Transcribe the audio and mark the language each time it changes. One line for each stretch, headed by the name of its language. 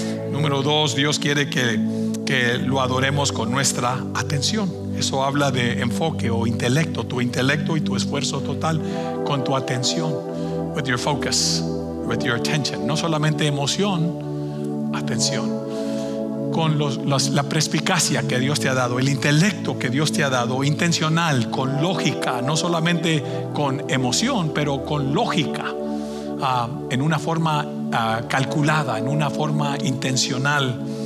Spanish: Número dos, Dios quiere que lo adoremos con nuestra atención. Eso habla de enfoque o intelecto, tu intelecto y tu esfuerzo total, con tu atención.
English: With your focus, with your attention.
Spanish: No solamente emoción, atención, con la perspicacia que Dios te ha dado, el intelecto que Dios te ha dado, intencional, con lógica, no solamente con emoción, pero con lógica, en una forma calculada, en una forma intencional.